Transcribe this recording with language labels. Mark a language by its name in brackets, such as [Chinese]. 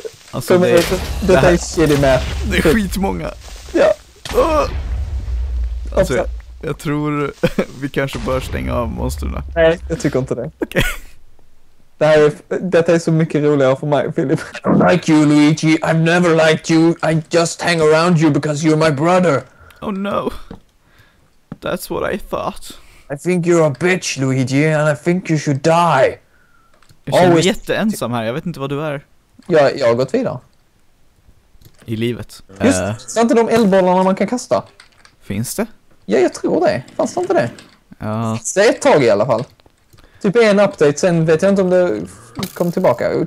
[Swedish] Alltså, det här är [English] shitty map. [Swedish] Det är skitmånga. Ja. Alltså, jag tror vi kanske bör stänga av monsterna. Nej, jag tycker inte det. Okej. Okay. Detta är så mycket roligare för mig, Filip. [English] I don't like you, Luigi. I've never liked you. I just hang around you because you're my brother. Oh, no. That's what I thought. I think you're a bitch, Luigi, and I think you should die. [Swedish] Jag är jätteensam här. Jag vet inte vad du är. Jag har gått vidare. I livet. Just, det är inte de eldbollarna man kan kasta. Finns det? Ja, jag tror det. Fanns det inte det? Ja. Det är ett tag i alla fall. Typ en update, sen vet jag inte om det kommer tillbaka.